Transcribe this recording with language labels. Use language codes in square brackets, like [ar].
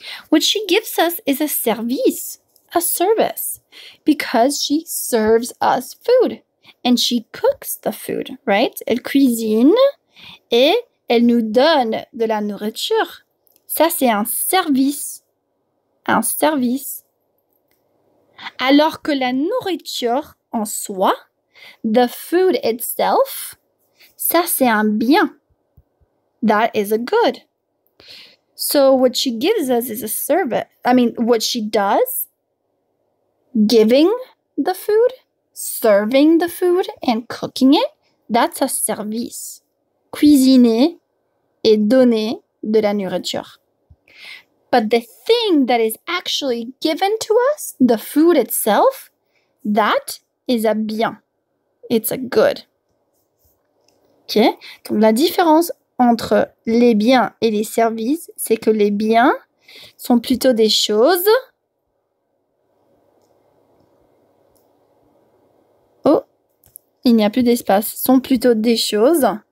[en] What she gives us is a service, a service, because she serves us food and she cooks the food, right? [fr] Elle cuisine et elle nous donne de la nourriture. Ça, c'est un service, un service. Alors que la nourriture en soi, [en] the food itself, [fr] ça, c'est un bien. [en] That is a good. So what she gives us is a service. I mean, what she does, giving the food, serving the food, and cooking it, that's a service. [fr] Cuisiner et donner de la nourriture. [en] But the thing that is actually given to us, the food itself, that is a bien. It's a good. OK? [fr] Donc la différence entre les biens et les services, c'est que les biens sont plutôt des choses. Oh, il n'y a plus d'espace. Sont plutôt des choses.